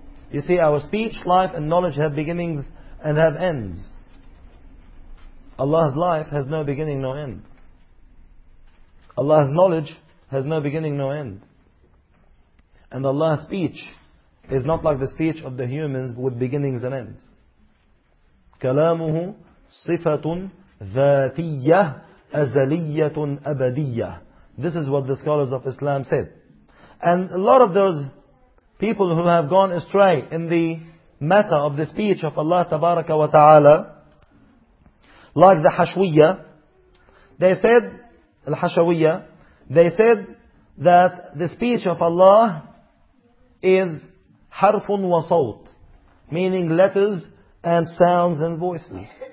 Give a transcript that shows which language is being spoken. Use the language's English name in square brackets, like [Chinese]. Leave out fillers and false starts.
[English] You see, our speech, life and knowledge have beginnings and have ends. Allah's life has no beginning, no end. Allah's knowledge has no beginning, no end. And Allah's speech is not like the speech of the humans with beginnings and ends. [Arabic] كلامه صفة ذاتية أزلية أبدية. [English] This is what the scholars of Islam said. And a lot of those people who have gone astray in the matter of the speech of Allah Tabaraka wa Ta'ala, like the Hashwiyya, they said, Al-Hashawiyya, they said that the speech of Allah is harfun wa sawt, meaning letters and sounds and voices.